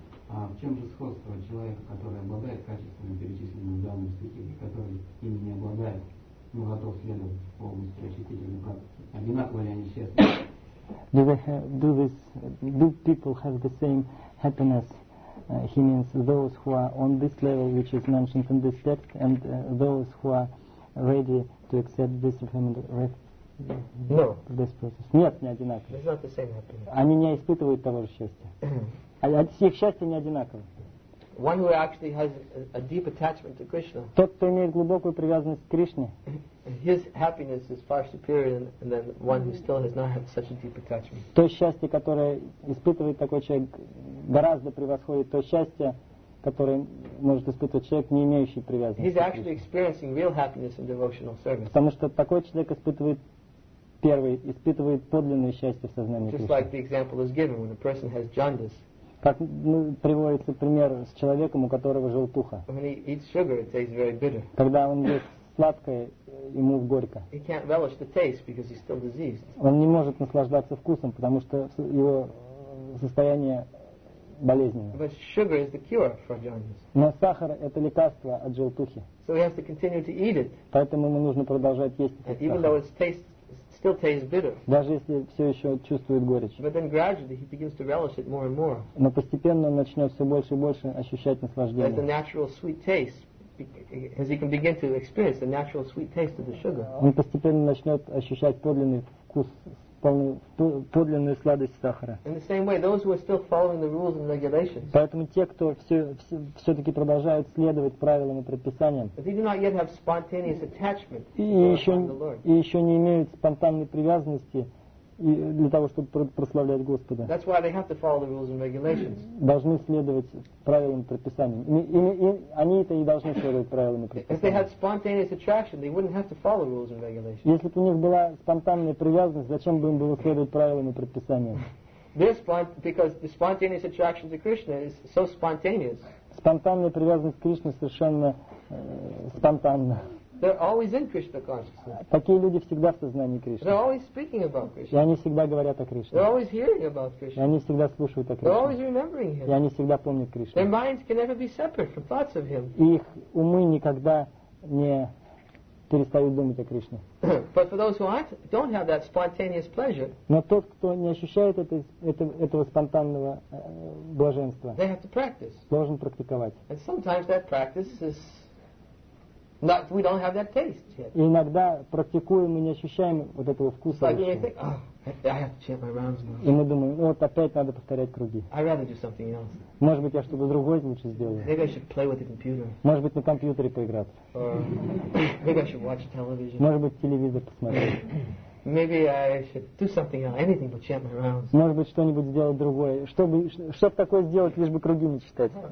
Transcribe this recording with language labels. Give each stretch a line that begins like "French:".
Russian: А в чем же сходство человека, который обладает качествами, перечисленными в данном стихе, и который ими не обладает, но готов следовать полностью очистительной практике? Одинаково ли они счастливы?
English: Do people have the same happiness? He means those who are on this level, which is mentioned in this text, and those who are ready to accept this this process.
Russian: Нет, не одинаково.
English: It's not the same happiness.
Russian: Они не испытывают того же счастья. Их счастье не одинаково.
English: One who actually has a deep attachment to Krishna.
Russian: Тот, кто имеет глубокую привязанность к Кришне.
English: His happiness is far superior than one who still has not had such a deep attachment.
Russian: То счастье, которое испытывает такой человек, гораздо превосходит то счастье, которое может испытывать человек, не имеющий привязанности.
English: He's actually experiencing real happiness in devotional service.
Russian: Потому что такой человек испытывает подлинное счастье в сознании
English: Кришны. Just like the example is given when a person has jaundice.
Russian: Как приводится пример с человеком, у которого желтуха.
English: When he eats sugar, it tastes very bitter.
Russian: Когда он ест сладкое, ему горько.
English: He can't relish the taste because he's still diseased.
Russian: Он не может наслаждаться вкусом, потому что его состояние болезненно.
English: But sugar is the cure for jaundice.
Russian: Но сахар – это лекарство от желтухи.
English: So he has to continue to eat it.
Russian: Поэтому ему нужно продолжать есть этот
English: сахар. Even though its taste still tastes bitter.
Russian: Даже если все еще чувствует горечь.
English: But then gradually he begins to relish it more and more.
Russian: Но постепенно он начнет все больше и больше ощущать наслаждение.
English: As the natural sweet taste as he can begin to experience the natural sweet taste of the sugar.
Russian: Он постепенно начнет ощущать подлинный вкус, подлинную сладость сахара.
English: In the same way, those who are still following the rules and regulations.
Russian: Поэтому те, кто все-таки продолжают следовать правилам и предписаниям.
English: They do not yet have spontaneous attachment.
Russian: И еще не имеют спонтанной привязанности. И для того, чтобы прославлять Господа.
English: That's why they have to follow the rules and regulations.
Russian: Должны следовать правилам и предписаниям. Они это и должны следовать правилам и предписаниям.
English: If they had spontaneous attraction, they wouldn't have to follow rules and regulations.
Russian: Если бы у них была спонтанная привязанность, зачем бы им было следовать правилам и предписаниям?
English: Because the spontaneous attraction to Krishna is so spontaneous.
Russian: Спонтанная привязанность к Кришне совершенно спонтанна.
English: They're always in Krishna consciousness.
Russian: Такие люди всегда в сознании Кришны.
English: They're always speaking about Krishna.
Russian: И они всегда говорят о Кришне.
English: They're always hearing about Krishna.
Russian: И они всегда слушают о Кришне.
English: They're always remembering Him.
Russian: И они всегда помнят Кришну.
English: Their minds can never be separate from thoughts of Him.
Russian: Их умы никогда не перестают думать о Кришне.
English: But for those who aren't, don't have that spontaneous pleasure.
Russian: Но тот, кто не ощущает этого спонтанного блаженства,
English: they have to practice.
Russian: Должен практиковать.
English: And sometimes that practice is not, we don't have that taste yet.
Russian: Иногда практикуем и не ощущаем вот этого вкуса.
English: Like, you think, oh, I have to chant my rounds now.
Russian: И мы думаем, ну, вот опять надо повторять круги.
English: I'd rather do something else.
Russian: Может быть, я что-то другое лучше сделаю.
English: Maybe I should play with the computer.
Russian: Может быть, на компьютере поиграться.
English: Maybe I should watch television.
Russian: Может быть, телевизор посмотреть.
English: Maybe I should do something else, anything but chant my rounds.
Russian: Может быть, что-нибудь сделать другое. Что бы такое сделать, лишь бы круги не читать.